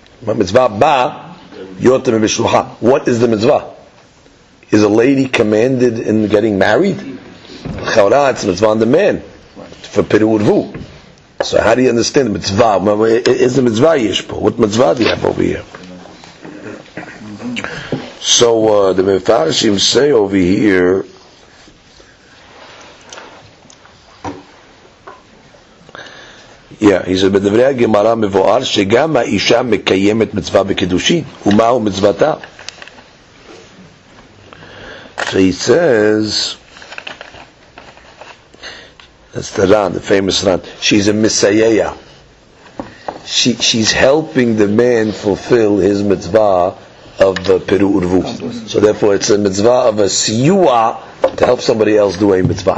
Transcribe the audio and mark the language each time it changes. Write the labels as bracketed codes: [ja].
[en] Mitzvah ba, yotem b'shulcha. What is the mitzvah? Is a lady commanded in getting married? Chora, it's mitzvah on the man, for pirurvu. So how do you understand the mitzvah? Is the mitzvah yishpo? What mitzvah do you have over here? So the Mefarshim say over here, yeah, he said, [he] בדברי הגמרא מבואר שגם האישה מקיימת מצווה בקידושין, ומהו מצוותה? [en] So he says, that's the Ran, the famous Ran, she's a misayaya. She's helping the man fulfill his mitzvah of Peru Urvu. So therefore it's a mitzvah of a siyua to help somebody else do a mitzvah.